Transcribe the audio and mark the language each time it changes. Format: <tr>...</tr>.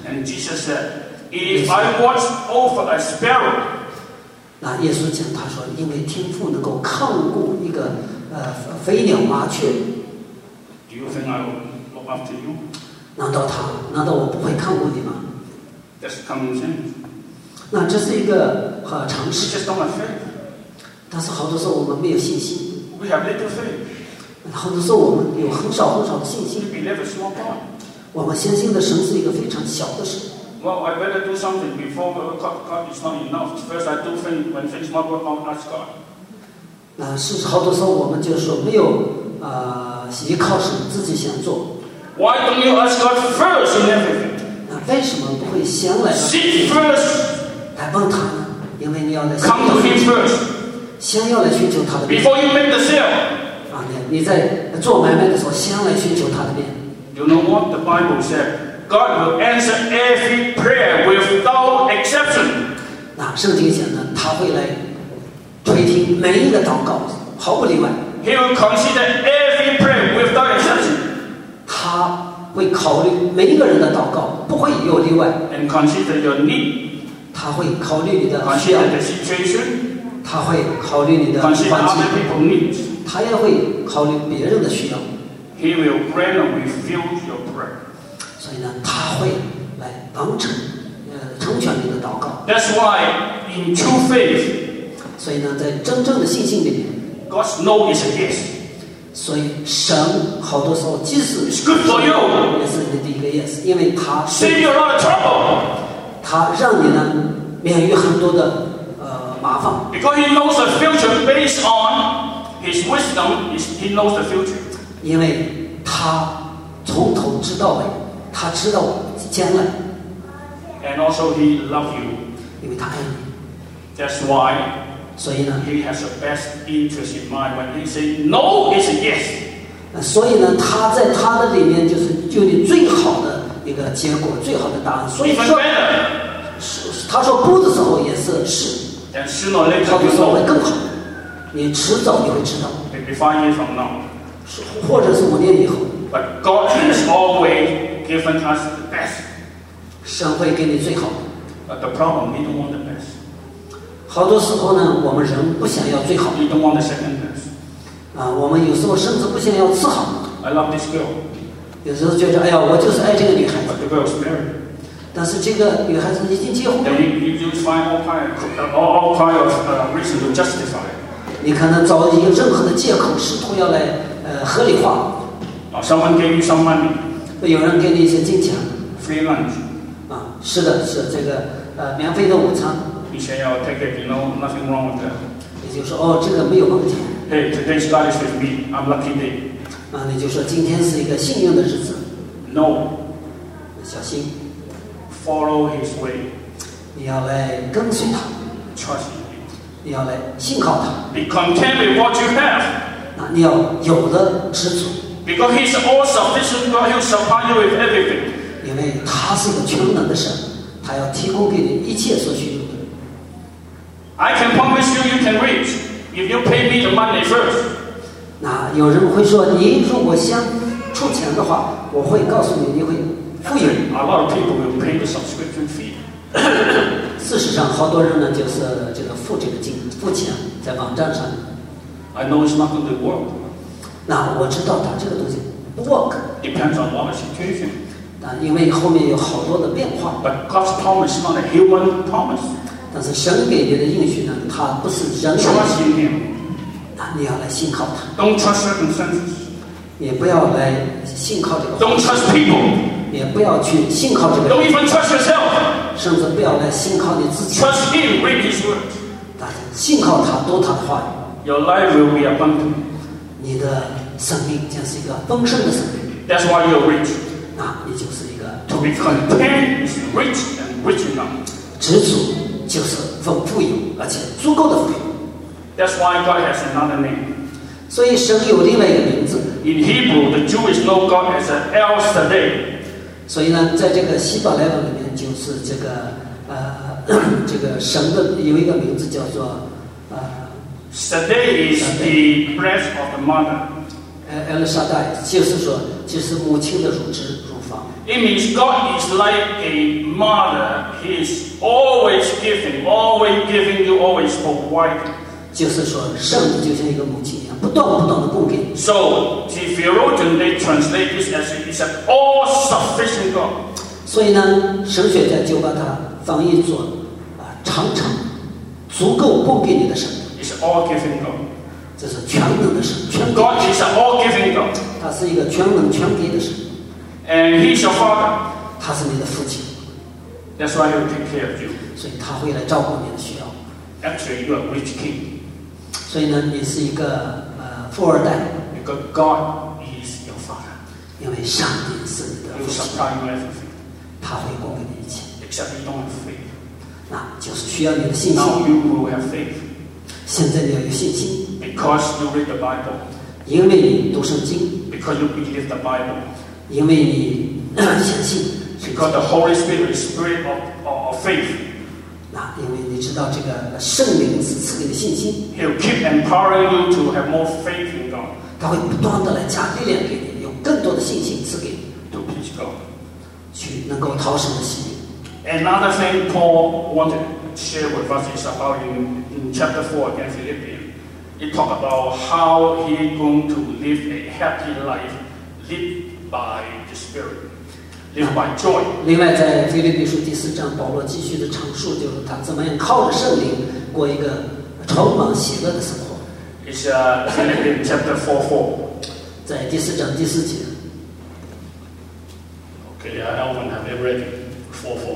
<en>And Jesus said If I watch over a sparrow</en> <zh>那耶稣讲他说因为天父能够看顾一个飞鸟麻雀</zh> <en>Do you think I will look after you?</en> <zh>难道我不会看顾你吗</zh> <en>That's common sense</en> <zh>那这是一个常识</zh> <en>It's just not my faith</en> <zh>但是好多时候我们没有信心</zh> <en>We have little faith.</en> <zh>好多时候我们有很少很少的信心。</zh> <en>We believe a small part.</en> <zh>我们相信的神是一个非常小的神。</zh> <en>Well, I better do something before God is not enough. First, I do things when things not work out, ask God.</en> <zh>那是好多时候我们就是说没有依靠神，自己想做。</zh> <en>Why don't you ask God first in everything?</en> <zh>那为什么不会先来？</zh> <en>Seek first.</en> <zh>来问他呢？因为你要来。</zh> <en>Come to Him first.</en> <zh>先要来寻求他的面</zh> <en>Before you make the sale</en> <zh>啊，你在做买卖的时候先来寻求他的面</zh> <en>You know what the Bible said God will answer every prayer without exception</en> <zh>那圣经讲呢他会来垂听每一个祷告毫不例外</zh> <en>He will consider every prayer without exception</en> <zh>他会考虑每一个人的祷告不会有例外</zh> <en>And consider your need</en> <zh>他会考虑你的需要</zh> <en>Consider the situation</en> <zh>他会考虑你的环境他也会考虑别人的需要</zh> <en>He will grant and refuse your prayer</en> <zh>所以呢他会来完成成全你的祷告。</zh> <en>That's why in true faith，</en> <zh>所以呢，在真正的信心里面</zh> <en>，God's no is a yes。</en> <zh>所以神好多时候即使</zh> <en>，It's good for you，</en> <zh>也是你的第一个 yes， 因为他</zh> <en>save you a lot of trouble，</en> <zh>他让你呢免于很多的麻烦。</zh> <en>Because he knows the future based on his wisdom， he knows the future。</en> <zh>因为他从头知道的，他知道将来。</zh> <en>And also he loves you，</en> <zh>因为他爱你。</zh> <en>That's why，</en> <zh>所以呢</zh> <en>，he has the best interest in mind when he say no is yes。</en> <zh>所以呢，他在他的里面就是就你最好的一个结果，最好的答案。所以说，</zh> <en>better,</en> <zh>他说不的时候也是是。</zh> <en>Then sooner or later you know，</en> <zh>更好，你迟早你会知道。</zh> <en>Maybe 5 years from now。</en> <zh>或者是5年以后。</zh> <en>But God has always given us the best。</en> <zh>神会给你最好。</zh> <en>But the problem, we don't want the best。</en> <zh>好多时候呢，我们人不想要最好。</zh> <en>We don't want the second best。</en> <zh>我们有时候甚至不想要次好。</zh> <en>I love this girl。</en> <zh>有时候觉得，哎呀，我就是爱这个女孩子。</zh> <en>But the girl's married。</en> <zh>但是这个女孩子已经结婚了。</zh> <en>Then you find all kind of reasons to justify。</en> <zh>你可能找一个任何的借口，试图要来。合理化。</zh> <en>Someone gave you some money。</en> <zh>有人给你一些金钱。</zh> <en>Free lunch。</en> <zh>是的，是这个免费的午餐。</zh> <en>You say I'll take it, you know, nothing wrong with that。</en> <zh>也就是说，哦，这个没有问题。</zh> <en>Hey, today's God is with me. I'm lucky day。</en> <zh>你就说今天是一个幸运的日子。</zh> <en>No。</en> <zh>小心。</zh> <en>Follow His way。</en> <zh>你要来跟随他。</zh> <en>Trust Him。</en> <zh>你要来信靠他。</zh> <en>Be content with what you have。</en> <zh>你要有的知足。</zh> <en>Because he's all sufficient, God will supply you with everything.</en> <zh>因为他是一个全能的神，他要提供给你一切所需用的。</zh> <en>I can promise you, you can reach if you pay me the money first.</en> <zh>那有人会说，你如果先出钱的话，我会告诉你，你会富有。</zh> <en>A lot of people will pay the subscription fee.</en> <zh>事实上，好多人呢就是这个付这个金付钱在网站上。</zh> <en>I know it's not going to work.</en> <zh>那我知道它这个东西不 work.</zh> <en>Depends on what situation.</en> <zh>但因为后面有好多的变化。</zh> <en>But God's promise is not a human promise.</en> <zh>但是神给你的应许呢，它不是人的。</zh> <en>Trust in Him.</en> <zh>那你要来信靠他。</zh> <en>Don't trust circumstances.</en> <zh>也不要来信靠这个。</zh> <en>Don't trust people.</en> <zh>也不要去信靠这个。</zh> <en>Don't even trust yourself.</en> <zh>甚至不要来信靠你自己。</zh> <en>Trust Him, read His word.</en> <zh>但信靠他，读他的话语。</zh> <en>Your life will be abundant.</en> <zh>你的生命将是一个丰盛的生命。</zh> <en>That's why you're rich.</en> <zh>那你就是一个。</zh> <en>To be content is rich and rich enough.</en> <zh>知足就是丰富有，而且足够的富有。</zh> <en>That's why God has another name.</en> <zh>所以神有另外一个名字。</zh> <en>In Hebrew, the Jewish know God as El Shaddai.</en> <zh>所以呢，在这个希伯来文里面，就是这个这个神的有一个名字叫做。</zh> <en>Shaddai is the breath of the mother.</en> <zh>El Shaddai 就是说，就是母亲的乳汁、乳房。</zh> <en>It means God is like a mother. He is always giving, always giving you, always providing.</en> <zh>就是说，圣就像一个母亲一样，不断不断的供给。</zh> <en>So the theologian they translate this as is an all-sufficient God.</en> <zh>所以呢，神学家就把它翻译作常常足够供给你的神。</zh> <en>It's all giving God.</en> <zh>这是全能的神，全</zh> <en>给。God is an all giving God.</en> <zh>他是一个全能全给的神。</zh> <en>And He's your father.</en> <zh>他是你的父亲。</zh> <en>That's why He'll take care of you.</en> <zh>所以他会来照顾你的需要。</zh> <en>Actually, you're a rich king.</en> <zh>所以呢，你是一个富二代。</zh> <en>Because God is your father.</en> <zh>因为上帝是你的父亲。</zh> <en>He'll supply you everything.</en> <zh>他会供给你一切。</zh> <en>Except you don't have faith.</en> <zh>那就是需要你的信心。</zh> <en>Now you will have faith.</en> <zh>现在你要有信心。</zh> <en>Because you read the Bible.</en> <zh>因为你读圣经。</zh> <en>Because you believe the Bible.</en> <zh>因为你相信。</zh> <en>Because the Holy Spirit is spirit of faith.</en> <zh>那因为你知道这个圣灵是赐给你的信心。</zh> <en>He'll keep empowering you to have more faith in God.</en> <zh>他会不断的来加力量给你，有更多的信心赐给你。</zh> <en>To please God.</en> <zh>去能够讨神的喜悦。</zh> <en>Another thing Paul wanted. Share with us is about in chapter 4 again, Philippians. It talks about how he's going to live a happy life, lived by the Spirit.</en> <zh>另外 joy。另外在腓立比书第四章，保罗继续的阐述，就是他怎么样靠着圣灵过一个充满喜乐的生活。</zh> <en>It's Philippians chapter 4:4。</en> <zh>在第四章第四节。</zh> <en>Okay, I don't have it ready. 4:4。</en>